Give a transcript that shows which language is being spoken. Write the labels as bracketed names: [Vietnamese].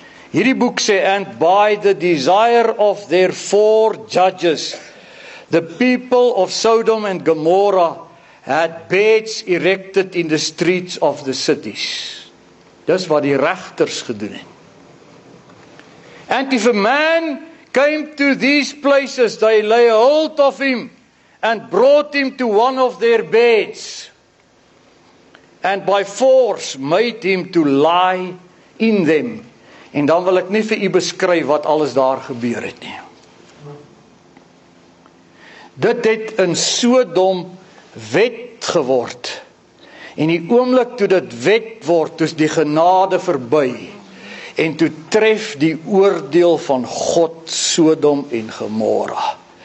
[Afrikaans] Hierdie boek sê, [English] and by the desire of their 4 judges, the people of Sodom and Gomorrah had beds erected in the streets of the cities. [Afrikaans] Dis wat die regters gedoen het. [English] And if a man came to these places, they lay hold of him and brought him to one of their beds and by force made him to lie in them. [Afrikaans] En dan wil ek nie vir u beskryf wat alles daar gebeur het nie. Dit het in Sodom wet geword. En die oomblik toe dit wet word, toe is die genade verby. En toe tref die oordeel van God Sodom en Gomorra.